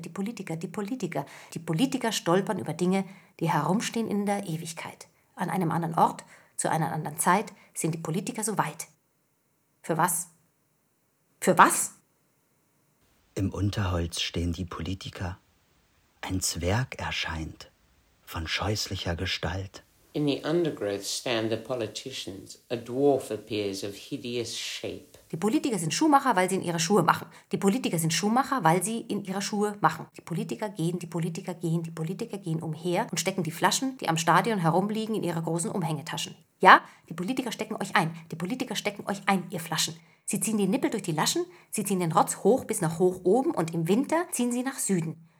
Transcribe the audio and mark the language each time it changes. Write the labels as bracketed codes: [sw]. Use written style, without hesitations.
[de] Die Politiker stolpern über Dinge, die herumstehen in der Ewigkeit. An einem anderen Ort, zu einer anderen Zeit sind die Politiker so weit. Für was? Für was? Im Unterholz stehen die Politiker. Ein Zwerg erscheint, von scheußlicher Gestalt. [en] In the undergrowth stand the politicians. A dwarf appears of hideous shape. [de] Die Politiker sind Schuhmacher, weil sie in ihre Schuhe machen. Die Politiker sind Schuhmacher, weil sie in ihre Schuhe machen. Die Politiker gehen umher und stecken die Flaschen, die am Stadion herumliegen, in ihre großen Umhängetaschen. Ja, die Politiker stecken euch ein. Die Politiker stecken euch ein, ihr Flaschen. Sie ziehen die Nippel durch die Laschen, sie ziehen den Rotz hoch bis nach hoch oben und im Winter ziehen sie nach Süden.